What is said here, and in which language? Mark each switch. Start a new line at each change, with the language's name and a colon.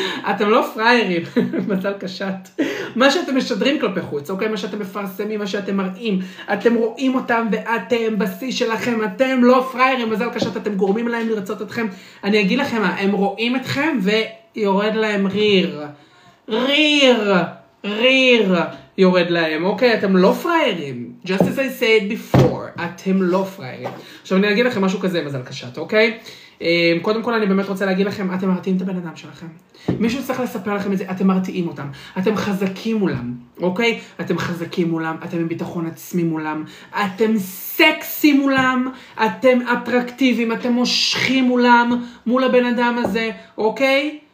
Hebrew: אתם לא פריירים, מזל קשת. מה שאתם משדרים כלפי חוץ, אוקיי, מה שאתם מפרסמים, מה שאתם מראים, אתם רואים אותם ואתם בסיס שלכם, אתם לא פריירים, מזל קשת, אתם גורמים להם לרצות אתכם. אני אגיד לכם מה, הם רואים אתכם ויורד להם ריר. ריר, ריר יורד להם, אוקיי, אתם לא פריירים.
English: Just as I said before,
Hebrew: אתם לא פריירים. עכשיו אני אגיד לכם משהו כזה, מזל קשת, אוקיי? קודם כל אני באמת רוצה להגיד לכם, אתם מרתיעים את הבן אדם שלכם. מישהו צריך לספר לכם את זה, אתם מרתיעים אותם. אתם חזקים מולם, אוקיי? אתם חזקים מולם, אתם עם ביטחון עצמי מולם. אתם סקסי מולם, אתם אטרקטיביים, אתם מושכים מולם, מול הבן אדם הזה, אוקיי?